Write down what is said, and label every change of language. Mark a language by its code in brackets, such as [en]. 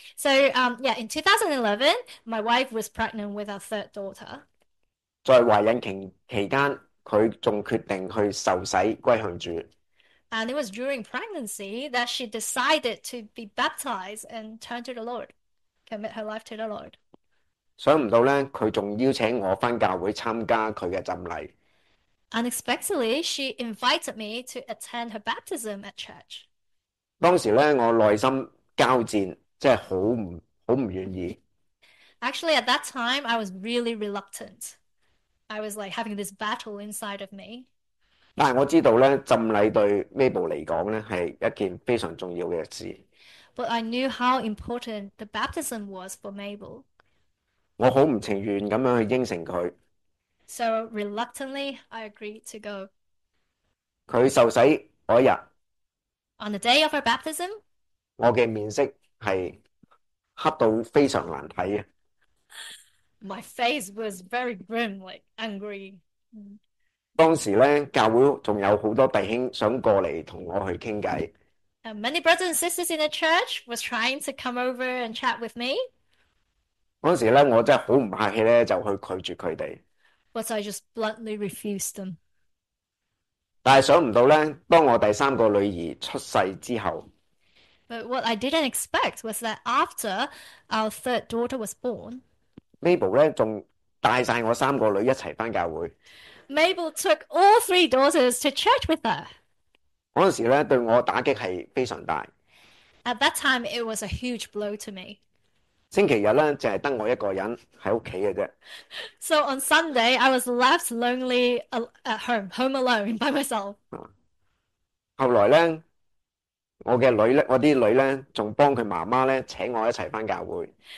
[en] So yeah, in 2011, my wife was pregnant with our third daughter. [yue] 在怀孕期间，佢仲决定去受洗归向主。 [en] And it was during pregnancy that she decided to be baptized and turn to the Lord, commit her life to the Lord. [yue] 想唔到咧，佢仲邀请我翻教会参加佢嘅浸礼。 [en] Unexpectedly, she invited me to attend her baptism at church. [yue] 当时咧，我内心交战，即系好唔愿意。 [en] Actually, at that time, I was really reluctant. I was like having this battle inside of me. [yue] 但系我知道咧，浸礼对 Mabel 嚟讲咧，系一件非常重要嘅事。 [en] But I knew how important the baptism was for Mabel. [yue] 我好唔情愿咁样去应承佢。 [en] So reluctantly, I agreed to go. [yue] 佢受洗嗰日， [en] On the day of her baptism, [yue] 我嘅面色系黑到非常难睇嘅。 [en] my face was very grim, like angry. [yue] 当时咧，教会仲有好多弟兄想过嚟同我去倾偈。 [en] And many brothers and sisters in the church was trying to come over and chat with me. [yue] 嗰时咧，我真系好唔客气咧，就去拒绝佢哋。 [en] But so I just bluntly refused them. [yue] 但系想唔到咧，当我第三个女儿出世之后， [en] But what I didn't expect was that after our third daughter was born, [yue] Mabel 咧仲带晒我三个女一齐翻教会。 [en] Mabel took all three daughters to church with her. [yue] 嗰阵时咧，对我打击系非常大。 [en] At that time, it was a huge blow to me. [yue] 星期日咧，就系得我一个人喺屋企嘅啫。 [en] So on Sunday, I was left lonely at home alone by myself. [yue] 后来咧，我啲女咧，仲帮佢妈妈咧，请我一齐翻教会。